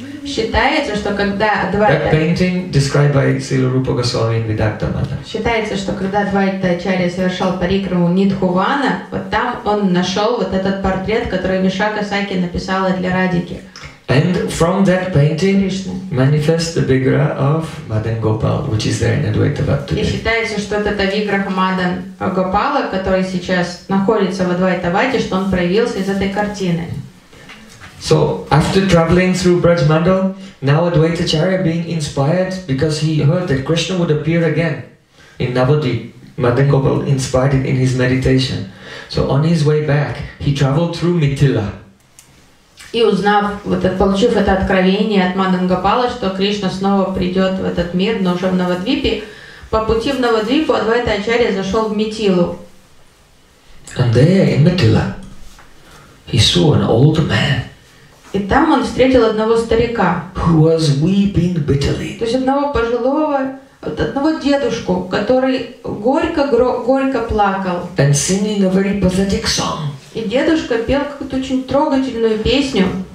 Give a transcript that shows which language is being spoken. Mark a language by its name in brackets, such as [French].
[Russian] Считается, что когда Адвайта... [English] That painting described by Srila Rupa Goswami in Vidakta Mata. [Russian] Считается, что когда Адвайта Ачарья совершал парикраму Нидхувана, вот там он нашел вот этот портрет, который Вишакхасакхи написала для Радики. [English] And from that painting manifests the vigra of Madan Gopal, which is there in Advaita Vat today. [Russian] И считается, что это виграх Мадан Гопала, который сейчас находится в Адвайта Вате, что он проявился из этой картины. [English] So after traveling through Braj Mandal, now Advaita Acharya being inspired because he heard that Krishna would appear again in Navadvip, Madan Gopal inspired it in his meditation. So on his way back, he traveled through Mithila. [Russian] И узнав, получив это откровение от Мадан Гопала, что Кришна снова придет в этот мир, но уже в Навадвипе, по пути в Навадвипу Адвайта Ачарья зашел в Митилу. [English] And there in Mithila, he saw an old man. [Russian] И там он встретил одного старика. [English] Who was weeping bitterly. [Russian] То есть одного пожилого, одного дедушку, который горько плакал. [English] And singing a very pathetic song. [Russian] И дедушка пел какую-то очень трогательную песню.